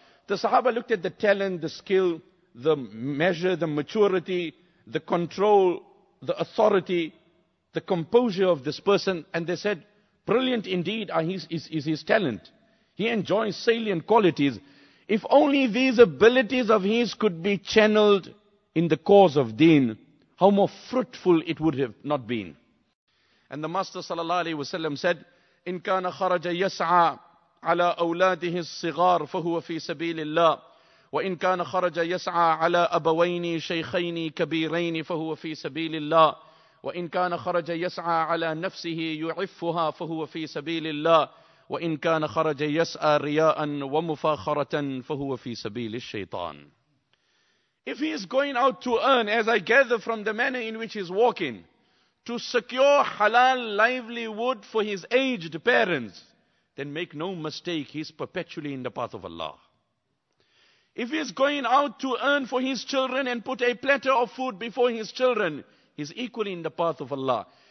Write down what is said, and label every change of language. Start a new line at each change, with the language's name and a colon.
English: The sahaba looked at the talent, the skill, the measure, the maturity, the control, the authority, the composure of this person, and they said, brilliant indeed are his talent. He enjoys salient qualities. If only these abilities of his could be channeled in the cause of deen, how more fruitful it would have not been. And the Master sallallahu alaihi wasallam said,
Arabic: in kana kharaja yas'a على أولاده الصغار فهو في سبيل الله، وإن كان خرج يسعى على أبوين شيخين كبيرين فهو في سبيل الله، وإن كان خرج يسعى على نفسه يعفها فهو في سبيل الله، وإن كان خرج يسعى رياء ومفاخرة فهو في سبيل الشيطان.
English: If he is going out to earn, as I gather from the manner in which he is walking, to secure halal livelihood for his aged parents, then make no mistake, he is perpetually in the path of Allah. If he is going out to earn for his children and put a platter of food before his children, he is equally in the path of Allah.